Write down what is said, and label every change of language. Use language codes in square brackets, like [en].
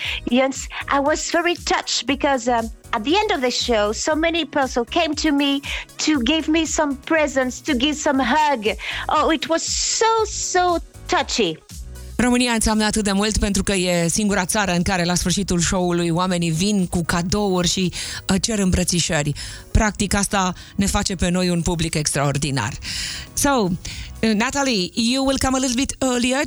[en] Yes, I was very touched because at the end of the show, so many people came to me to give me some presents, to give some hug. Oh, it was so, so touchy. [ro] România înseamnă atât de mult pentru că e singura țară în care la sfârșitul show-ului oamenii vin cu cadouri și cer îmbrățișări. Practic asta ne face pe noi un public extraordinar. [en] So, Nathalie, you will come a little bit earlier.